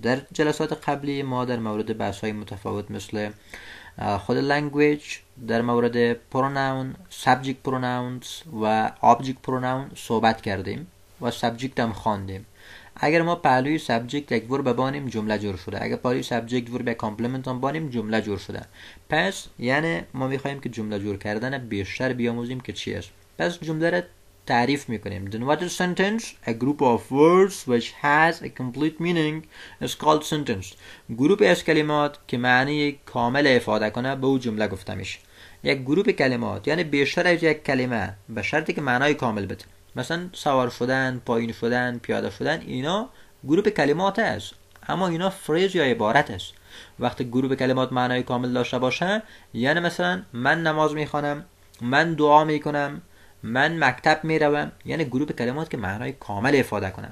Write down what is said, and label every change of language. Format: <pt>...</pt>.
<fa>در جلسات قبلی ما در مورد بحث های متفاوت مثل خود language، در مورد pronoun، subject pronouns و object pronoun صحبت کردیم و subject هم خواندیم. اگر ما پهلوی subject یک ور ببانیم جمله جور شده، اگر پهلوی subject ور به complement هم بانیم جمله جور شده. پس یعنی ما میخواییم که جمله جور کردن بیشتر بیاموزیم که چی است. پس جمله را تعریف میکنیم.</fa> <en>Then what is sentence? A group of words which has a complete meaning is called sentence.</en> <fa>گروپ از کلمات که معنی کامل افاده کنه به او جمله گفته میشه. یک گروپ کلمات یعنی بیشتر از یک کلمه به شرطی که معنای کامل بده. مثلا سوار شدن، پایین شدن، پیاده شدن، اینا گروپ کلمات است. اما اینا فریز یا عبارت است. وقتی گروپ کلمات معنای کامل داشته باشه، یعنی مثلا من نماز میخوانم، من دعا میکنم، من مکتب می روم، یعنی گروپ کلمات که معنای کامل افاده کنه.</fa>